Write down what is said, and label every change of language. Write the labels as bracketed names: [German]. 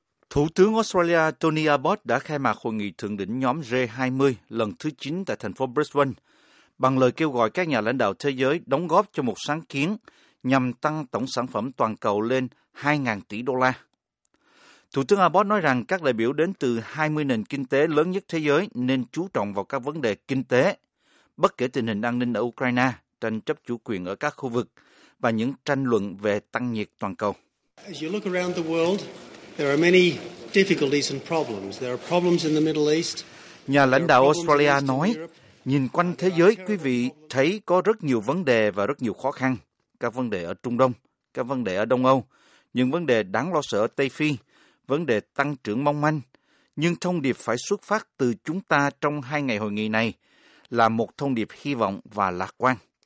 [Vietnamese] Thủ tướng Australia Tony Abbott đã khai mạc hội nghị thượng đỉnh nhóm G20 lần thứ 9 tại thành phố Brisbane bằng lời kêu gọi các nhà lãnh đạo thế giới đóng góp cho một sáng kiến nhằm tăng tổng sản phẩm toàn cầu lên 2.000 tỷ đô la. Thủ tướng Abbott nói rằng các đại biểu đến từ 20 nền kinh tế lớn nhất thế giới nên chú trọng vào các vấn đề kinh tế, bất kể tình hình an ninh ở Ukraine, tranh chấp chủ quyền ở các khu vực và những tranh luận về tăng nhiệt toàn cầu. [English] As you look around the world, there are many difficulties and problems. There are problems in the Middle East. [Vietnamese] Nhà lãnh đạo Australia nói, nhìn quanh thế giới, quý vị thấy có rất nhiều vấn đề và rất nhiều khó khăn. Các vấn đề ở Trung Đông, các vấn đề ở Đông Âu, những vấn đề đáng lo sợ ở Tây Phi, vấn đề tăng trưởng mong manh. Nhưng thông điệp phải xuất phát từ chúng ta trong hai ngày hội nghị này là một thông điệp hy vọng và lạc quan.